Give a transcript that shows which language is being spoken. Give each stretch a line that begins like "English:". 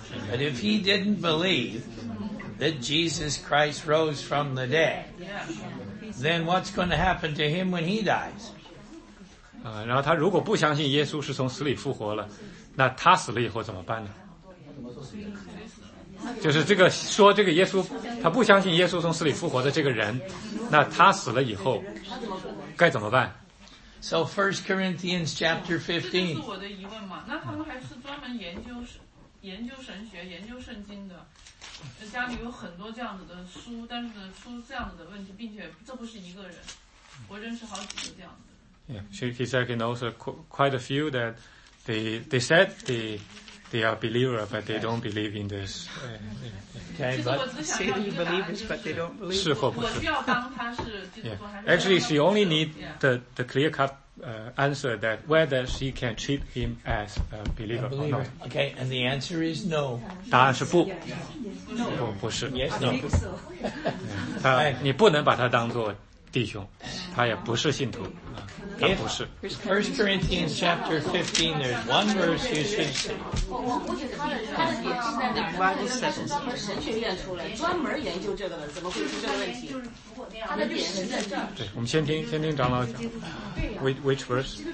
English: But if he didn't believe that Jesus Christ rose from the dead, then what's going to happen to him when he dies?
Chinese: 然后他如果不相信耶稣是从死里复活了，那他死了以后怎么办呢？就是这个说这个耶稣，他不相信耶稣从死里复活的这个人，那他死了以后该怎么办？
English: So 1 Corinthians chapter 15.
Chinese: 这是我的疑问嘛？那他们还是专门研究神学、研究圣经的，家里有很多这样子的书，但是呢，出这样子的问题，并且这不是一个人，我认识好几个这样子的。
English: Yeah, he said he knows quite a few that they said they are believer, but they don't believe in this. Okay, but say they believe it, but they don't believe.
Chinese: 是否不是？我需要当他是基督徒还是？
English: Actually, she only need the clear cut answer that whether she can treat him as a believer or not. Okay, and the answer is no.
Chinese: 答案是不。
English: No,
Chinese: 不是。
English: Yes, no.
Chinese: 他，你不能把他当做弟兄，他也不是信徒。
English: If 1 Corinthians chapter 15, there's one verse you should see. The Bible says this.
Chinese: 我们先听长老讲。
English: Which verse?